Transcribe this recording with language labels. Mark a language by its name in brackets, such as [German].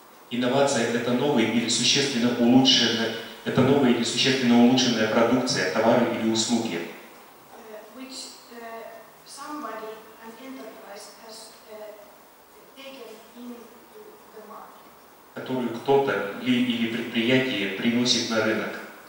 [Russian] Инновация – это новый или существенно улучшенный, это новая или существенно улучшенная продукция, товары или услуги. [English] Which somebody, an enterprise, has taken into the market. [Russian] Которую кто-то или предприятие приносит на рынок.